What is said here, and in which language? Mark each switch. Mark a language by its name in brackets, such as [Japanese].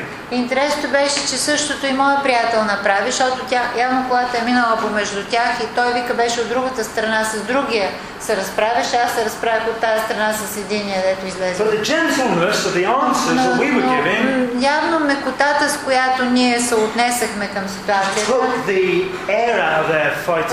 [Bulgarian] Интересно беше, че същото и моя приятел направи, защото явно колата е минала помежду тях и той вика беше от другата страна с другия. Се разправяш, аз се разправях от тази страна с единия, дето излезе. [English] But the gentleness of the answers that we were giving, [Bulgarian] явно мекотата, с която ние се отнесахме към ситуацията, [English] took the air out of their fight.